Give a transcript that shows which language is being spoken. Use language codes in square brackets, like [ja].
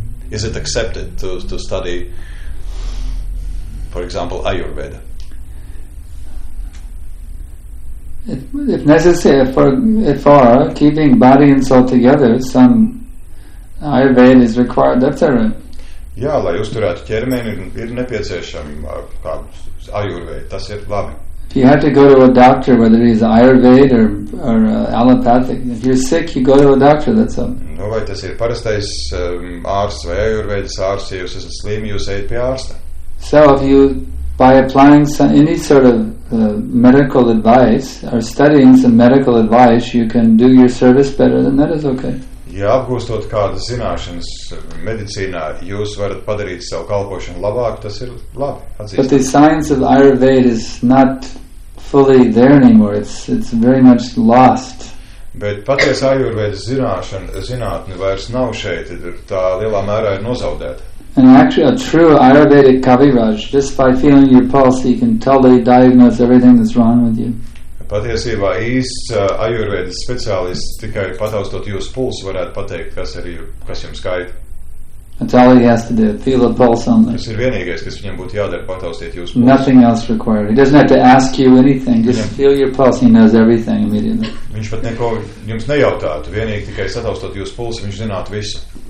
[en] Is it accepted to study, for example, Ayurveda? If necessary, if keeping body and soul together, some Ayurveda is required, that's all right. [lv] Jā, lai uzturētu ķermeni, ir nepieciešami kāds Ayurveda, tas ir labi. [en] If you have to go to a doctor, whether he's Ayurveda or allopathic, if you're sick, you go to a doctor, that's all. [lv] Nu, vai tas ir parastais ārsts vai Ayurvedas ārsts, ja jūs esat slimi, jūs ejat pie ārsta. [en] So if you, by applying some, any sort of medical advice, or studying some medical advice, you can do your service better, then that is okay. [lv] Ja apgūstot kādas zināšanas medicīnā, jūs varat padarīt savu kalpošanu labāku, tas ir labi, atzīst. [en] But the science of Ayurveda is not fully there anymore, it's very much lost. [lv] Bet paties Ayurveda zināšana, zinātne vairs nav šeit, tā lielā mērā ir nozaudēta. [en] And actually a true Ayurvedic Kaviraj, just by feeling your pulse, he can totally diagnose everything that's wrong with you. [lv] Patiesībā īsts ajurvēdas speciālists tikai pataustot jūsu pulsu varētu pateikt, kas jums skait. [en] That's all he has to do, feel the pulse only. [lv] Tas ir vienīgais, kas viņam būtu jādara, pataustīt jūsu pulsu. [en] Nothing else required. He doesn't have to ask you anything, just feel your pulse, he knows everything immediately. [lv] Viņš pat neko jums nejautātu, vienīgi tikai sataustot jūsu pulsu, viņš zinātu visu.